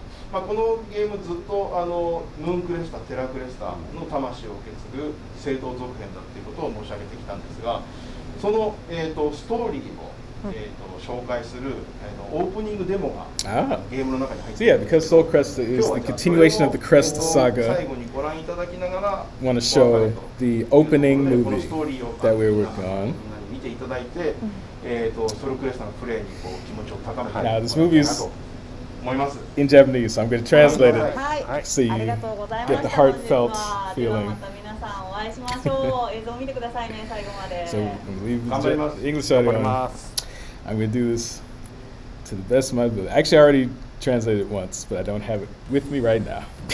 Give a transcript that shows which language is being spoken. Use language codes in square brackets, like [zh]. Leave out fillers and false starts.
[ja] まあ、このゲームずっとあのムーンクレスタ、テラクレスタの魂を受け継ぐ聖堂続編だっていうことを申し上げてきたんですが、その、ストーリーを、紹介する、オープニングデモがゲームの中に入っています [en] 。 So yeah, because Soul Cresta is the continuation of the Cresta saga, I want to show the opening movie that we worked on. [ja] 見ていただいて、ソルクレスタのプレイにこう気持ちを高めていただければなと。 [en] In Japanese, so I'm going to translate it so you get the heartfelt feeling. So I'm leaving the English audio. I'm going to do this to the best of my ability. Actually, I already translated it once, but I don't have it with me right now.